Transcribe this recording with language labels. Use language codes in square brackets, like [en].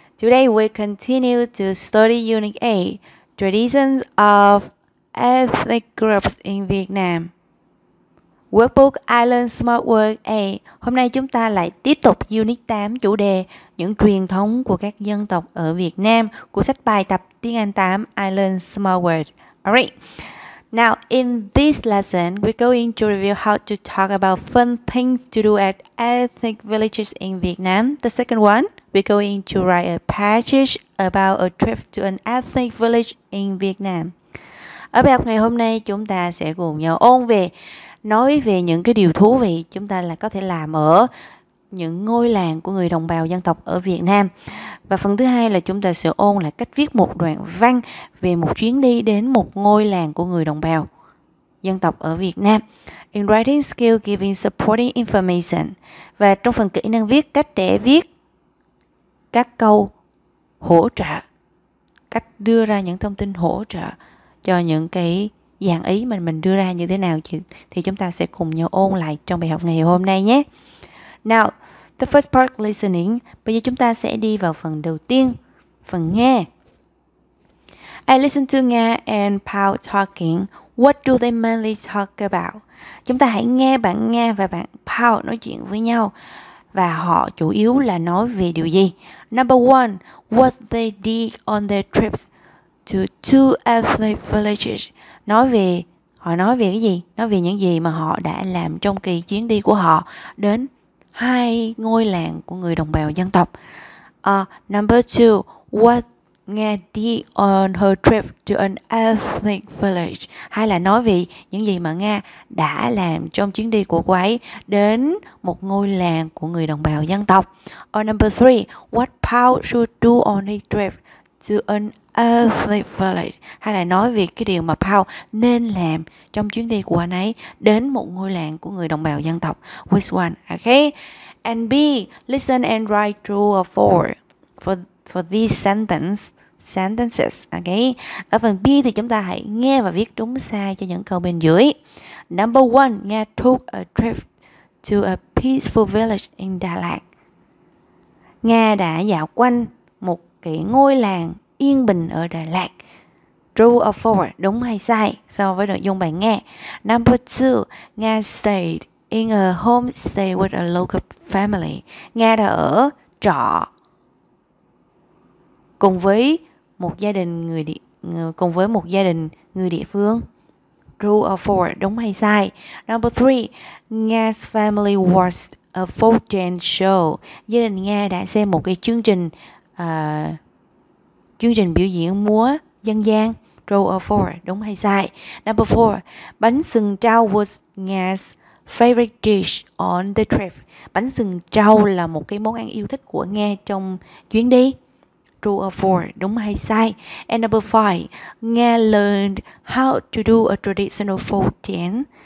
[en] Today we continue to study Unit 8, Traditions of Ethnic Groups in Vietnam. Workbook Island Smart Work 8. [vi] Hôm nay chúng ta lại tiếp tục Unit 8 chủ đề những truyền thống của các dân tộc ở Việt Nam của sách bài tập tiếng Anh 8 Island Smart Word. [en] Alright. Now, in this lesson, we're going to review how to talk about fun things to do at ethnic villages in Vietnam. The second one, we're going to write a passage about a trip to an ethnic village in Vietnam. [vi] Ở bài học ngày hôm nay, chúng ta sẽ cùng nhau ôn về, nói về những cái điều thú vị chúng ta là có thể làm ở những ngôi làng của người đồng bào dân tộc ở Việt Nam. Và phần thứ hai là chúng ta sẽ ôn lại cách viết một đoạn văn về một chuyến đi đến một ngôi làng của người đồng bào dân tộc ở Việt Nam. [en] In writing skill, giving supporting information. [vi] Và trong phần kỹ năng viết, cách để viết các câu hỗ trợ, cách đưa ra những thông tin hỗ trợ cho những cái dạng ý mà mình đưa ra như thế nào thì chúng ta sẽ cùng nhau ôn lại trong bài học ngày hôm nay nhé. [en] Now, the first part listening. [vi] Bây giờ chúng ta sẽ đi vào phần đầu tiên, phần nghe. [en] I listen to Nga and Pao talking. What do they mainly talk about? [vi] Chúng ta hãy nghe bạn Nga và bạn Pao nói chuyện với nhau. Và họ chủ yếu là nói về điều gì? [en] Number one, what they did on their trips to two ethnic villages. [vi] Nói về cái gì? Nói về những gì mà họ đã làm trong kỳ chuyến đi của họ đến hai ngôi làng của người đồng bào dân tộc. [en] Number two, what Nga did on her trip to an ethnic village. [vi] Hay là nói về những gì mà Nga đã làm trong chuyến đi của cô ấy đến một ngôi làng của người đồng bào dân tộc. [en] Or number three, what Pao should do on his trip to an ethnic village. [vi] Hay là nói về cái điều mà Pao nên làm trong chuyến đi của anh ấy đến một ngôi làng của người đồng bào dân tộc. [en] Which one? Okay. And B, listen and write true or false for these sentences. Okay. [vi] Ở phần B thì chúng ta hãy nghe và viết đúng sai cho những câu bên dưới. [en] Number one, Nga took a trip to a peaceful village in Đà Lạt. [vi] Nga đã dạo quanh một cái ngôi làng yên bình ở Đà Lạt. [en] True or false, [vi] đúng hay sai so với nội dung bài nghe. [en] Number two, Nga stayed in a homestay with a local family. [vi] Nga đã ở trọ cùng với một gia đình người địa phương. [en] True or false, [vi] đúng hay sai. [en] Number three, Nga's family watched a fortune show. [vi] Gia đình Nga đã xem một cái chương trình biểu diễn múa dân gian. [en] True or false, [vi] đúng hay sai. [en] Number four, bánh sừng trâu was Nga's favorite dish on the trip. [vi] Bánh sừng trâu là một cái món ăn yêu thích của Nga trong chuyến đi. [en] True or false, [vi] đúng hay sai. [en] And number five, Nga learned how to do a traditional folk dance.